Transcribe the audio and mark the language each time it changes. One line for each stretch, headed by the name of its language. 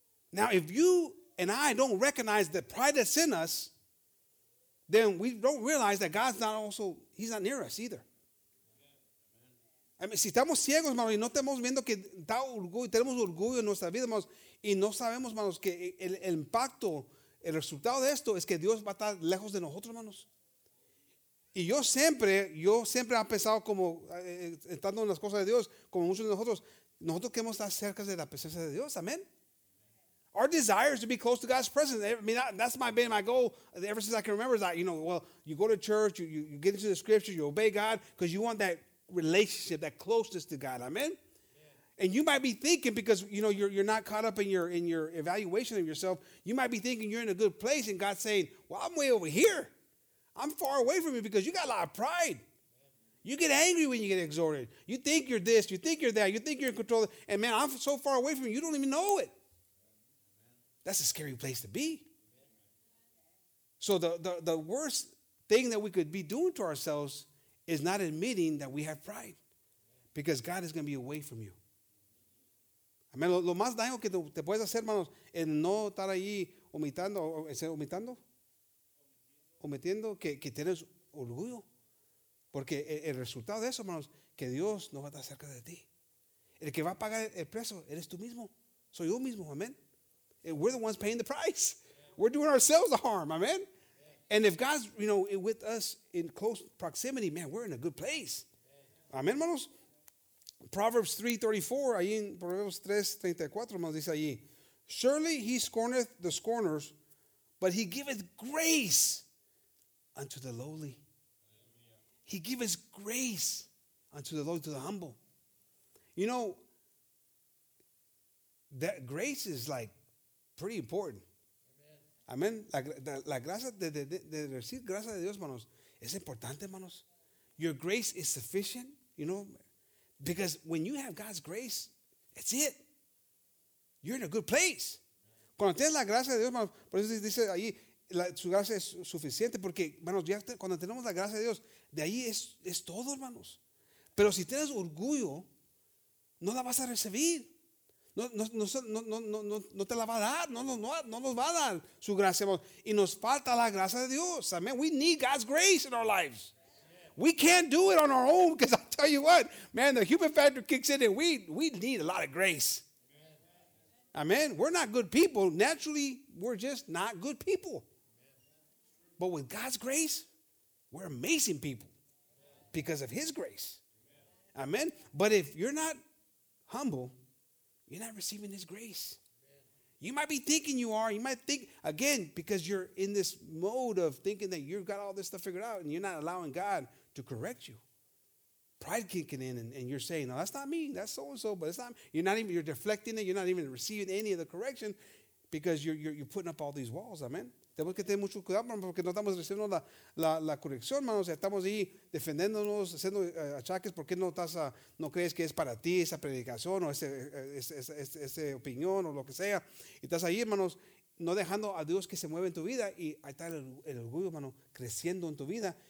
English: Now, if you and I don't recognize the pride that's in us, then we don't realize that God's not also, He's not near us either. I mean,
Spanish: si estamos ciegos, hermanos, y no estamos viendo que está orgullo, tenemos orgullo en nuestra vida, hermanos, y no sabemos, hermanos, que el impacto, el resultado de esto es que Dios va a estar lejos de nosotros, hermanos. Y yo siempre he pensado como, estando en las cosas de Dios, como muchos de nosotros queremos estar cerca de la presencia de Dios, amén.
English: Our desire is to be close to God's presence. I mean, that's my goal ever since I can remember is that, you know, well, you go to church, you get into the scripture, you obey God, because you want that relationship, that closeness to God, amen. And you might be thinking, because, you know, you're not caught up in your evaluation of yourself, you might be thinking you're in a good place, and God's saying, well, I'm way over here. I'm far away from you because you got a lot of pride. You get angry when you get exhorted. You think you're this. You think you're that. You think you're in control. And man, I'm so far away from you, you don't even know it. That's a scary place to be. So the worst thing that we could be doing to ourselves is not admitting that we have pride, because God is going to be away from you. Amen.
Spanish: Lo más daño que te puedes hacer, hermanos, es no estar allí omitiendo. Cometiendo que tienes orgullo, porque el resultado de eso, hermanos, que Dios no va a estar cerca de ti. El que va a pagar el precio eres tú mismo, soy yo mismo, amén.
English: We're the ones paying the price. We're doing ourselves the harm, amén. And if God's, you know, with us in close proximity, man, we're in a good place. Amen, hermanos. Proverbs 3:34,
Spanish: ahí en
English: Proverbs 3:34,
Spanish: hermanos, dice allí,
English: surely he scorneth the scorners, but he giveth grace unto the lowly. He giveth grace unto the lowly, to the humble. You know, that grace is like pretty important.
Spanish: Amén. La gracia de decir gracias a Dios, hermanos, es importante, hermanos.
English: Your grace is sufficient, you know, because when you have God's grace, that's it. You're in a good place.
Spanish: Cuando tienes la gracia de Dios, hermanos, por eso dice ahí, su gracia es suficiente, porque, hermanos, ya cuando tenemos la gracia de Dios, de ahí es todo, hermanos. Pero si tienes orgullo, no la vas a recibir. No te la va a dar, no nos va a dar su gracia, y nos falta la gracia de Dios.
English: Amen. We need God's grace in our lives. We can't do it on our own, because I'll tell you what, man, the human factor kicks in, and we need a lot of grace. Amen. We're not good people. Naturally, we're just not good people. But with God's grace, we're amazing people because of his grace. Amen. But if you're not humble, you're not receiving his grace. Amen. You might be thinking you are. You might think, again, because you're in this mode of thinking that you've got all this stuff figured out and you're not allowing God to correct you. Pride kicking in and you're saying, no, that's not me. That's so-and-so, but it's not me. You're not even, you're deflecting it. You're not even receiving any of the correction because you're putting up all these walls. Amen.
Spanish: Tenemos que tener mucho cuidado porque no estamos recibiendo la corrección, hermanos. Estamos ahí defendiéndonos, haciendo achaques. ¿Por qué no crees que es para ti esa predicación o ese opinión o lo que sea? Y estás ahí, hermanos, no dejando a Dios que se mueva en tu vida. Y ahí está el orgullo, hermano, creciendo en tu vida.